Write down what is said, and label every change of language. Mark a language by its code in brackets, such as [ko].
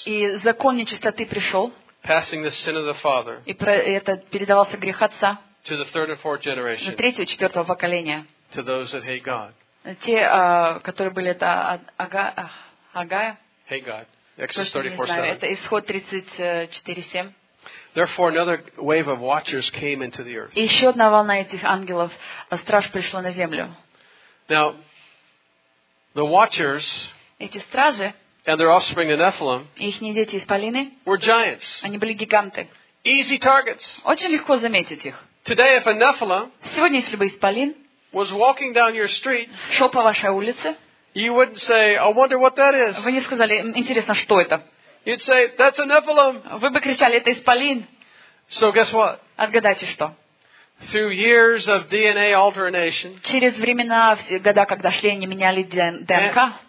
[ru] И закон нечистоты пришел. [en] Passing the sin of the father. [ru] И это передавался грех отца. [en] To the third and fourth generation. [ru] На третье и четвертое поколение. [en] To those that hate God. [ru] Те, которые были это Агая. [en] Hate God. Exodus 34:7. [ru] Это исход 34:7. [en] Therefore, another wave of watchers came into the earth. [ru] Еще одна волна этих ангелов, страж пришла на землю. [en] Now, the watchers. [ru] Эти стражи. [en] And their offspring, the Nephilim. [ru] Их дети исполины. [en] Were giants. [ru] Они были гиганты. [en] Easy targets. [ru] Очень легко заметить их. [en] Today, if a Nephilim. [ru] Сегодня, если бы исполин. [en] Was walking down your street. [ru] Шел по вашей улице. [en] You wouldn't say, "I wonder what that is." [ru] Вы не сказали, интересно, что это? [en] You'd say, "That's a Nephilim." [ru] Вы бы кричали, это исполин. [en] So guess what? [ru] Отгадайте что? [en] Through years of DNA alteration. [ru] Через времена, года, когда шли, они меняли ДНК.